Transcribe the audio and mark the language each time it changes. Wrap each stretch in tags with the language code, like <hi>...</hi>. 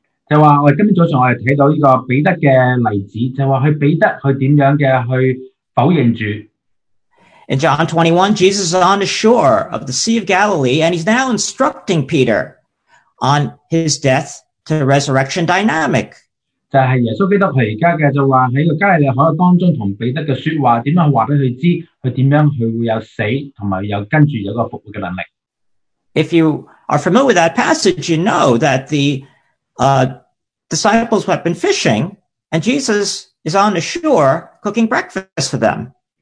<zh>就说我们今天早上我们看到这个彼得的例子，就说彼得他怎样的去否认主。</zh> <en>In John 21, Jesus is on the shore of the Sea of Galilee, and he's now instructing Peter on his death to resurrection dynamic.</en> <zh>就是耶稣基督他现在就说在加利利海当中跟彼得的说话，怎样去告诉他知，他怎样会有死，还有跟着有个复活的能力。</zh> <en>If you are familiar with that passage, you know that the disciples have been fishing, and Jesus is on the shore cooking breakfast for them.</en>